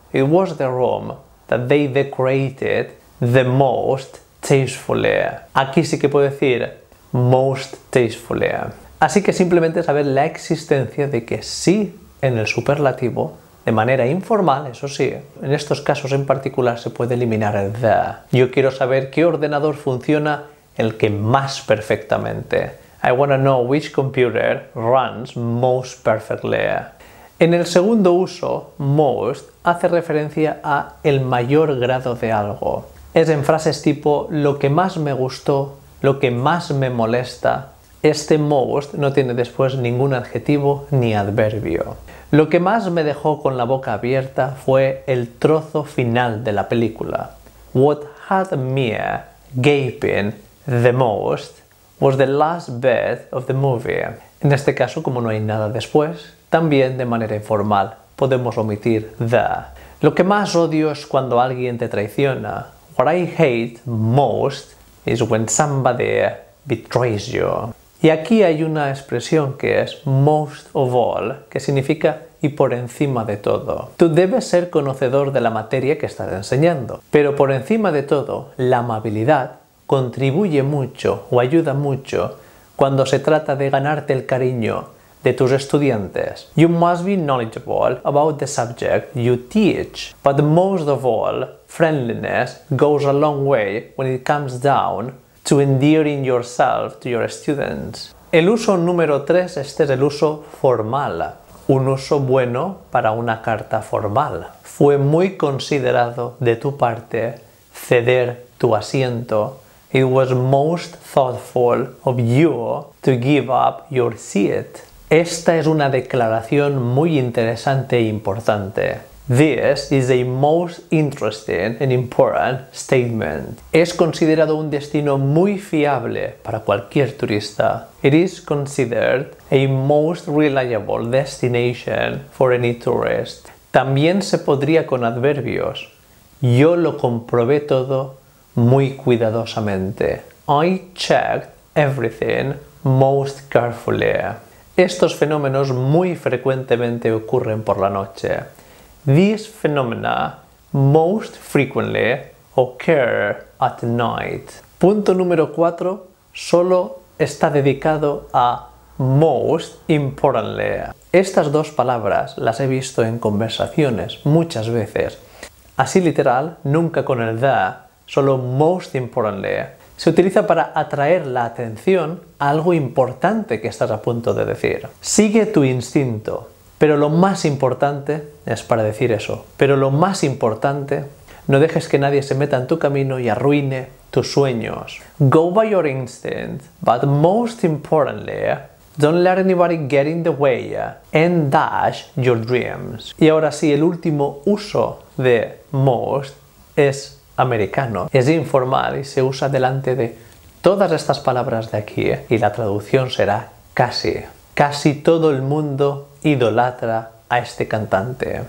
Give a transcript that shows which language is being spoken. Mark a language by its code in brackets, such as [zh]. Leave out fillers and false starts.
[en] It was the room that they decorated the most tastefully. [es] Aquí sí que puedo decir [en] most tastefully. [es] Así que simplemente saber la existencia de que sí, en el superlativo, de manera informal, eso sí, en estos casos en particular se puede eliminar el the. Yo quiero saber qué ordenador funciona el que más perfectamente. [en] I want to know which computer runs most perfectly. [es] En el segundo uso, most hace referencia a el mayor grado de algo. Es en frases tipo lo que más me gustó, lo que más me molesta. Este most no tiene después ningún adjetivo ni adverbio. Lo que más me dejó con la boca abierta fue el trozo final de la película. [en] What had me gaping the most was the last bit of the movie. [es] En este caso, como no hay nada después, también de manera informal podemos omitir the. Lo que más odio es cuando alguien te traiciona. [en] What I hate most is when somebody betrays you. [es] Y aquí hay una expresión que es [en] most of all, [es] que significa y por encima de todo. Tú debes ser conocedor de la materia que estás enseñando, pero por encima de todo, la amabilidad contribuye mucho o ayuda mucho cuando se trata de ganarte el cariño de tus estudiantes. [en] You must be knowledgeable about the subject you teach, but most of all, friendliness goes a long way when it comes down to endearing yourself to your students. [es] El uso número 3, este es el uso formal. Un uso bueno para una carta formal. Fue muy considerado de tu parte ceder tu asiento. [en] It was most thoughtful of you to give up your seat. [es] Esta es una declaración muy interesante e importante. [en] This is a most interesting and important statement. [es] Es considerado un destino muy fiable para cualquier turista. [en] It is considered a most reliable destination for any tourist. [es] También se podría con adverbios. Yo lo comprobé todo muy cuidadosamente. [en] I checked everything most carefully. [es] Estos fenómenos muy frecuentemente ocurren por la noche. [en] These phenomena most frequently occur at night. [es] Punto número 4 solo está dedicado a [en] most importantly. [es] Estas dos palabras las he visto en conversaciones muchas veces. Así literal, nunca con el the, solo [en] most importantly. [es] Se utiliza para atraer la atención a algo importante que estás a punto de decir. Sigue tu instinto. Pero lo más importante, es para decir eso, pero lo más importante, no dejes que nadie se meta en tu camino y arruine tus sueños. [en] Go by your instinct, but most importantly, don't let anybody get in the way and dash your dreams. [es] Y ahora sí, el último uso de most es americano. Es informal y se usa delante de todas estas palabras de aquí y la traducción será casi. Casi todo el mundo idolatra a este cantante.